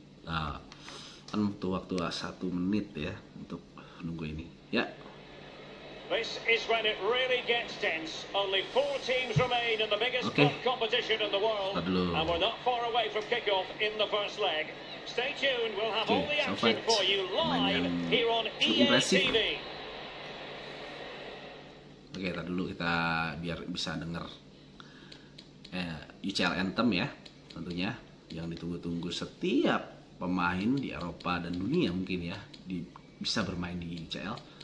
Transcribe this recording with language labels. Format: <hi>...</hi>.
<id>Nah, kan butuh waktu 1 menit ya untuk nunggu ini. Ya.</id> <en>This is when it really gets tense. Only 4 teams remain in the biggest competition in the world. And we're not far away from kickoff in the first leg. Stay tuned, we'll have all the action fight for you live here on EA TV.</en> <id>Oke, kita dulu kita biar bisa denger UCL Anthem ya, tentunya yang ditunggu-tunggu setiap pemain di Eropa dan dunia mungkin ya, di bisa bermain di UCL.</id>